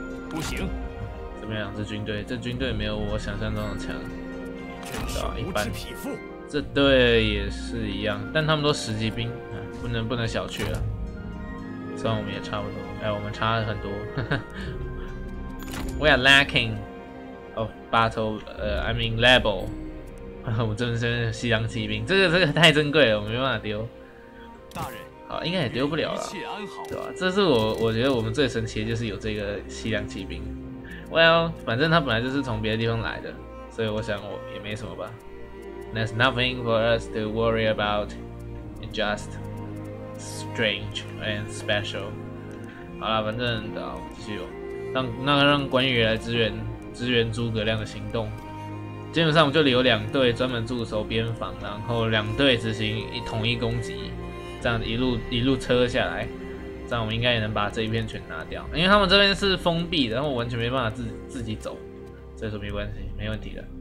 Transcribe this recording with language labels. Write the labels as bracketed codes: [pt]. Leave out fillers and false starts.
[zh] 不行，这边两支军队，这军队没有我想象中的强，一般。这队也是一样，但他们都十级兵，不能小觑了。虽然我们也差不多，我们差很多。 [en] We are lacking of battle, I mean level. [zh] 我们这边是西洋骑兵，这个太珍贵了，我没办法丢。大人，好，应该也丢不了了，对吧？这是我觉得我们最神奇的就是有这个西洋骑兵。 Well， 反正他本来就是从别的地方来的，所以我想我也没什么吧。 [en] There's nothing for us to worry about, just. Strange and special。 [zh] 好了，反正的，继续让关羽来支援诸葛亮的行动。基本上我们就留两队专门驻守边防，然后两队执行一统一攻击，这样一路一路车下来，这样我们应该也能把这一片全拿掉，因为他们这边是封闭的，然后我完全没办法自己走，所以说没关系，没问题的。